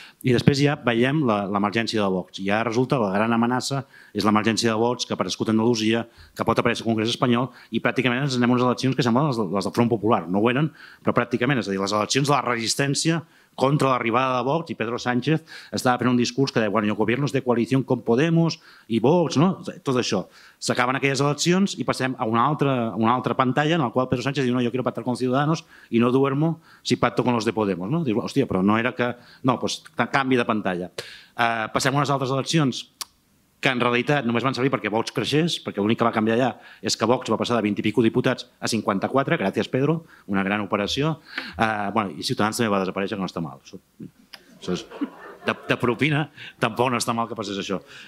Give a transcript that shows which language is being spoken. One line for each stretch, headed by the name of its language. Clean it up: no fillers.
Catalan: I després ja veiem l'emergència de Vox. I ara resulta que la gran amenaça és l'emergència de Vox que ha aparegut a Andalusia, que pot aparèixer al Congrés espanyol, i pràcticament ens anem a unes eleccions que semblen les del Front Popular. No ho eren, però pràcticament. És a dir, les eleccions de la resistència contra l'arribada de Vox, i Pedro Sánchez estava fent un discurs que deia bueno, el govern és de coalició com Podemos i Vox, no? Tot això. S'acaben aquelles eleccions i passem a una altra pantalla en la qual Pedro Sánchez diu no,
Spanish: yo quiero pactar con Ciudadanos y no duermo si pacto con los de Podemos.
Catalan: No? Diu, hòstia, però no era que... No, doncs canvi de pantalla. Passem a unes altres eleccions que en realitat només van servir perquè Vox creixés, perquè l'únic que va canviar allà és que Vox va passar de 20 i pico diputats a 54, gràcies Pedro, una gran operació. Bueno, i Ciutadans també va desaparèixer, que no està mal. Això és de propina, tampoc no està mal que passés això.